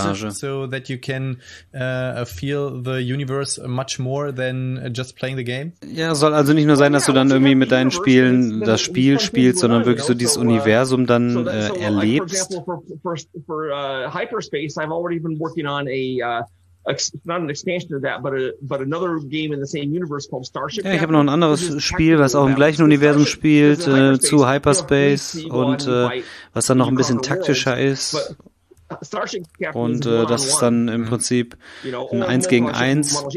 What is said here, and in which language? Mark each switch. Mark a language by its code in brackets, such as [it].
[en] So that you can feel the universe much more than just playing the game. [de] Ja, soll also nicht nur sein, dass du dann irgendwie mit deinen Spielen das Spiel spielst, sondern wirklich so dieses Universum dann erlebst. [en] For Hyperspace, I've already been working on not an expansion of that, but another game in the same universe called Starship. [de] Ja, ich habe noch ein anderes Spiel, was auch im gleichen Universum spielt, zu Hyperspace und was dann noch ein bisschen taktischer ist. Und das ist dann im Prinzip ein 1 gegen 1.